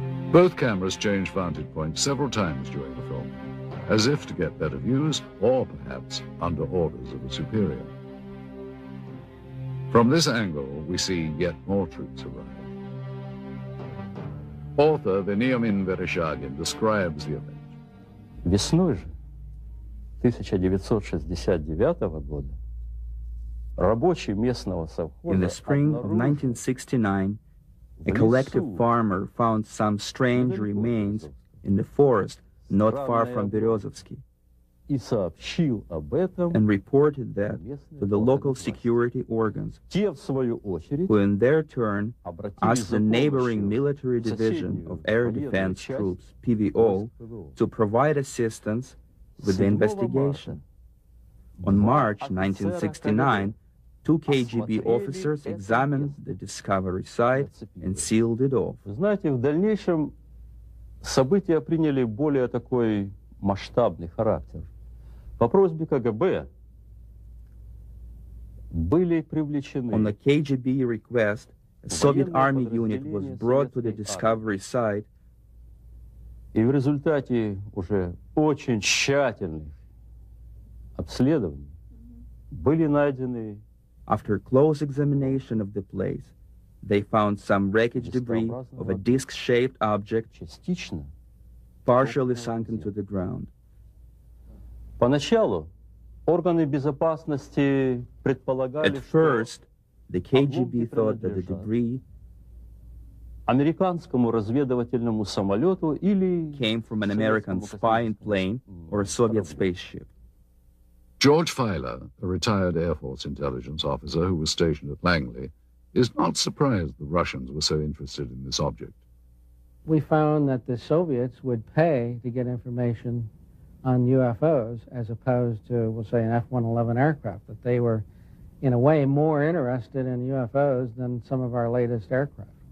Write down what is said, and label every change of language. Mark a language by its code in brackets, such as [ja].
[en] Both cameras change vantage points several times during the film, as if to get better views, or perhaps under orders of a superior. From this angle, we see yet more troops arrive. Author Veniamin Vereshagin describes the event. [ru] Весной же 1969 года рабочий местного совхоза. [en] In the spring of 1969, a collective farmer found some strange remains in the forest not far from Березовский. And reported that to the local security organs, who in their turn asked the neighboring military division of air defense troops, PVO, to provide assistance with the investigation. On March 1969, two KGB officers examined the discovery site and sealed it off. [ru] Знаете, в дальнейшем события приняли более такой масштабный характер. [en] On a KGB request, a Soviet army unit was brought to the discovery site. [ru] И в результате уже очень тщательных обследований были найдены. [en] After close examination of the place, they found some wreckage debris of a disc-shaped object, [ru] частично, [en] partially sunk into the ground. [ru] Поначалу органы безопасности предполагали, [en] at first, the KGB thought that the debris [ru] американскому разведывательному самолету или [en] came from an American spy plane or a Soviet spaceship. George Filer, a retired Air Force intelligence officer who was stationed at Langley, is not surprised the Russians were so interested in this object. We found that the Soviets would pay to get information on UFOs, as opposed to, we'll say, an F-111 aircraft, that they were, in a way, more interested in UFOs than some of our latest aircraft.